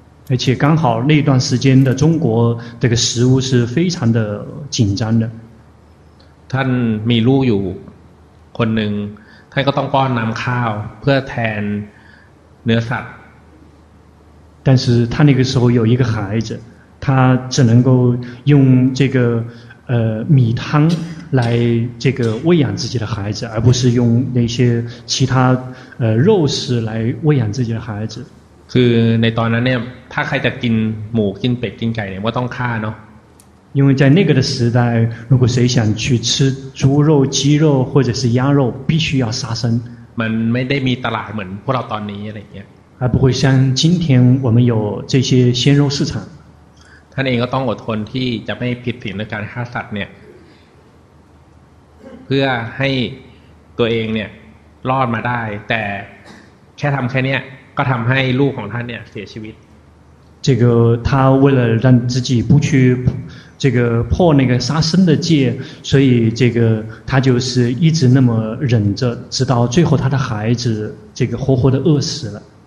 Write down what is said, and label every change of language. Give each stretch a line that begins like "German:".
Chinese: 而且刚好那段时间的中国这个食物是非常的紧张的
Thai: ท่านมีลูกอยู่คนหนึ่งท่านก็ต้องป้อนน้ำข้าวเพื่อแทนเนื้อสัตว์
Chinese: 但是他那个时候有一个孩子他只能够用这个米汤来这个喂养自己的孩子而不是用那些其他肉食来喂养自己的孩子
Thai: คือในตอนนั้นเนี่ยถ้าใครจะกินหมูกินเป็ดกินไก่เนี่ยก็ต้องฆ่าเนาะ
Chinese: 因为在那个的时代如果谁想去吃猪肉鸡肉或者是鸭肉必须要杀生
Thai: มันไม่ได้มีตลาดเหมือนพวกเราตอนนี้อะไรเงี้ย
Chinese: 还不会像今天我们有这些鲜肉市场
Thai: ท่านเองก็ต้องอดทนที่จะไม่ผิดศีลในการฆ่าสัตว์เนี่ยเพื่อให้ตัวเองเนี่ยรอดมาได้แต่แค่ทำแค่เนี้ยก็ทำให้ลูกของท่านเนี่ยเสียชีวิต
Chinese: 这个他为了让自己不去这个破那个杀生的戒所以这个他就是一直那么忍着直到最后他的孩子这个活活的饿死了